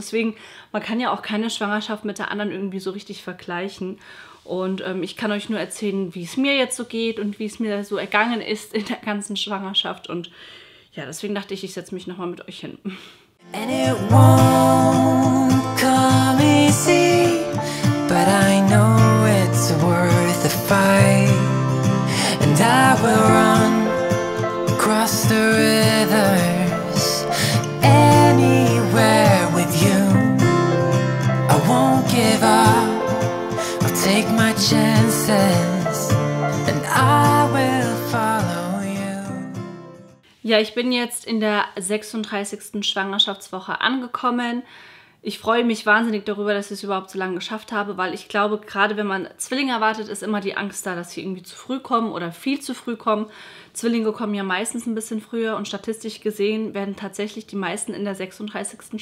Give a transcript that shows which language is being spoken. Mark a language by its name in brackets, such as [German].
[German] Deswegen, man kann ja auch keine Schwangerschaft mit der anderen irgendwie so richtig vergleichen. Und ich kann euch nur erzählen, wie es mir jetzt so geht und wie es mir so ergangen ist in der ganzen Schwangerschaft. Und ja, deswegen dachte ich, ich setze mich nochmal mit euch hin. [English] And it won't come easy. But I know it's worth the fight, and I will run across the rivers anywhere with you. I won't give up, I'll take my chances, and I will follow you. [German] Ja, ich bin jetzt in der 36. Schwangerschaftswoche angekommen. Ich freue mich wahnsinnig darüber, dass ich es überhaupt so lange geschafft habe, weil ich glaube, gerade wenn man Zwillinge erwartet, ist immer die Angst da, dass sie irgendwie zu früh kommen oder viel zu früh kommen. Zwillinge kommen ja meistens ein bisschen früher und statistisch gesehen werden tatsächlich die meisten in der 36.